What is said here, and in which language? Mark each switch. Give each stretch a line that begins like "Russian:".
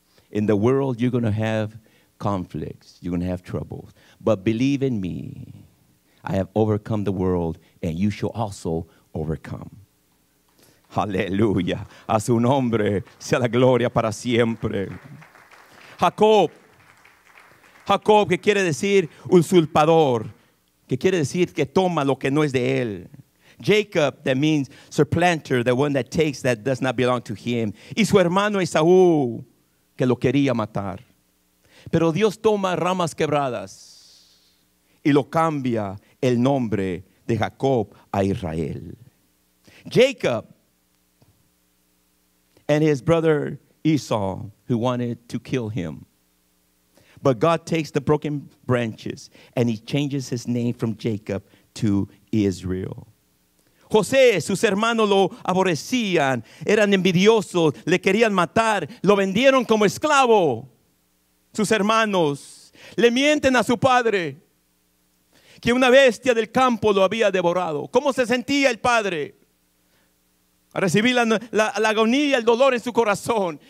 English: In the world, you're going to have conflicts. You're going to have troubles. But believe in me. I have overcome the world, and you shall also overcome.
Spanish: Aleluya. A su nombre sea la gloria para siempre. Jacob. Jacob, que quiere decir usurpador. Que quiere decir que toma lo que no es de él.
English: Jacob, that means supplanter, the one that takes that does not belong to him.
Spanish: Y su hermano Esaú, que lo quería matar. Pero Dios toma ramas quebradas y lo cambia el nombre de Jacob a Israel. Jacob.
English: And his brother Esau, who wanted to kill him. But God takes the broken branches and he changes his name from Jacob to Israel.
Spanish: José, sus hermanos lo aborrecían, eran envidiosos, le querían matar, lo vendieron como esclavo. Sus hermanos le mienten a su padre que una bestia del campo lo había devorado. ¿Cómo se sentía el padre? A recibir la agonía, el dolor en su corazón.